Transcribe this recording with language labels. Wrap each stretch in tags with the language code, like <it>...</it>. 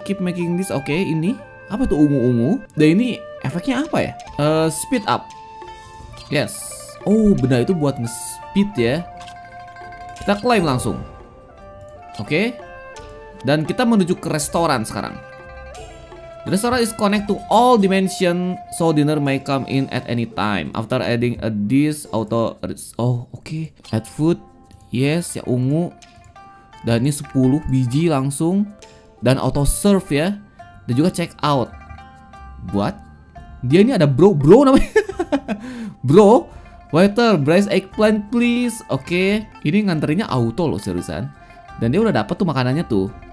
<en>Keep making this.</en> <id>Oke, ini apa tuh ungu-ungu? Dan ini efeknya apa ya?</id> <en>Speed up. Yes.</en> <id>Oh, benda itu buat nge-speed ya. Kita claim langsung. Oke. Dan kita menuju ke restoran sekarang.</id> <en>The restaurant is connect to all dimension, so dinner may come in at any time. After adding a dish auto... Oh, oke. Add food. Yes,</en> <id>ya ungu. dan ini 10 biji langsung dan auto serve ya, dan juga check out. Buat dia ini ada bro, bro namanya.</id> <en>Bro, waiter, braised eggplant please.</en> <id>Oke, ini nganterinnya auto loh seriusan. Dan dia udah dapat tuh makanannya tuh.</id>